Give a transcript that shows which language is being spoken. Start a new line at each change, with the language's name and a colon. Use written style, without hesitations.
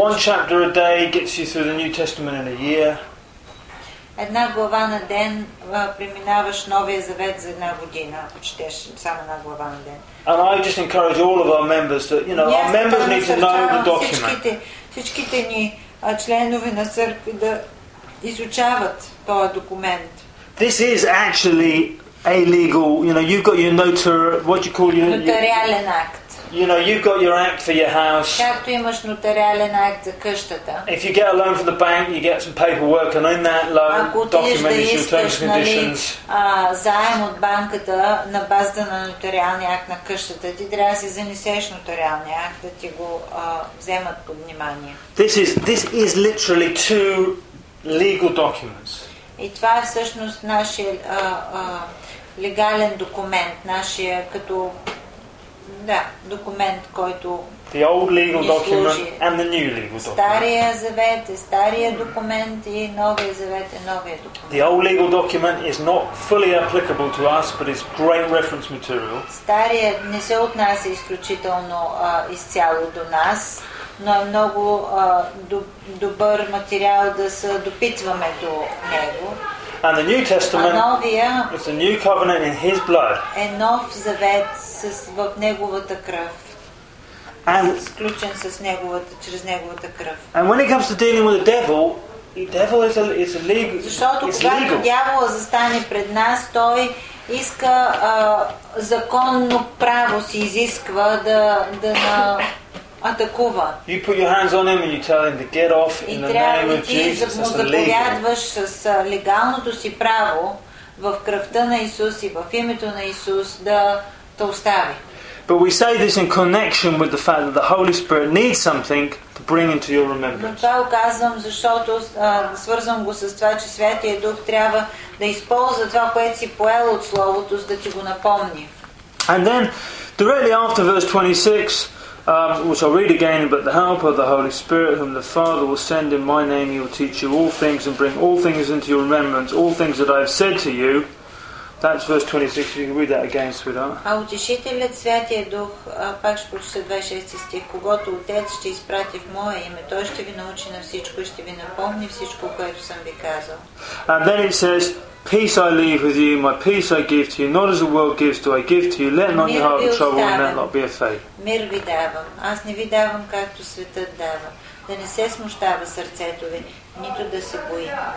English: One chapter a day gets you through the New Testament in a year.
Bulgarian: Една глава на ден преминаваш Новия Завет за една година, ако четеш само една глава на ден.
English: And I just encourage all of our members that, you know, our members need to know the document.
Bulgarian: Всичките ни членове на църкви да изучават този документ.
English: This is actually a legal, you know, you've got your notarial, what do you call your...
Bulgarian: Нотариален акт.
English: You know, you've got your act for your house.
Bulgarian: Както имаш нотариален акт за къщата.
English: If you get a loan from the bank, you get some paperwork, and in that loan, documents your terms and conditions.
Bulgarian: Заем от банката на базата на нотариалния акт на къщата. Ти трябва да си занесеш нотариалния акт, да ти го вземат под внимание.
English: This is literally two legal documents.
Bulgarian: И това е всъщност нашия легален документ, нашия като да, документ, който
English: the old legal document and the new legal document.
Bulgarian: Стария завет е стария документ и новия завет е новия документ.
English: The old legal document is not fully applicable to us, but it's great reference material.
Bulgarian: Стария не се отнася изключително изцяло до нас, но е много добър материал да се допитваме до него.
English: And the New Testament is a new covenant in His blood.
Bulgarian: Е нов завет с в неговата кръв.
English: And
Bulgarian: сключен с неговата чрез неговата кръв.
English: And when it comes to dealing with the devil is a legal.
Bulgarian: Защото когато дявола застане пред нас, той иска законно право си изисква да на атакува.
English: You put your hands on him and you tell him to get off in the name of Jesus.
Bulgarian: И трябва да заповядваш с легалното си право в кръвта на Исус и в името на Исус да те остави.
English: But we say this in connection with the fact that the Holy Spirit needs something to bring into your remembrance.
Bulgarian: Това казвам, защото свързвам го с това, че Святия Дух трябва да използва това, което си поел от Словото, за да ти го напомни.
English: And then, directly after verse 26, which I'll read again, but the helper of the Holy Spirit, whom the Father will send in my name, he will teach you all things and bring all things into your remembrance, all things that I have said to you. That's verse 26. You can read that again, sweetheart.
Bulgarian: А утешителят Святия Дух, пак ще прочета 26 стих, когато Отец ще изпрати в мое име, той ще ви научи на всичко и ще ви напомни всичко, което съм ви казал.
English: And then it says, peace I leave with you, my peace I give to you, not as the world gives do I give to you, let not your heart be troubled and let not be afraid.
Bulgarian: Мир ви давам, аз не ви давам както светът дава, да не се смущава сърцето ви, нито да се бои.